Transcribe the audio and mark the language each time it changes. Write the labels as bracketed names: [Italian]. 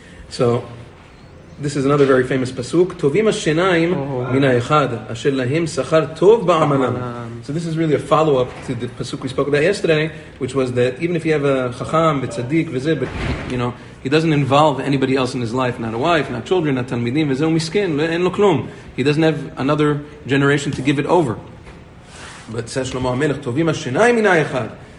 [English] So, this is another very famous pasuk. [Hebrew] טובים השניים מן האחד, אשר להם שכר טוב בעמלם. [English] So this is really a follow-up to the pasuk we spoke about yesterday, which was that even if you have a chacham, [Hebrew] בצדיק וזה, [English] but you know, he doesn't involve anybody else in his life, not a wife, not children, not תלמידים, [Hebrew] וזהו מסכן, אין לו כלום. [English] He doesn't have another generation to give it over. But says Shlomo HaMelech, [Hebrew] Tovim HaShinai Minai Echad.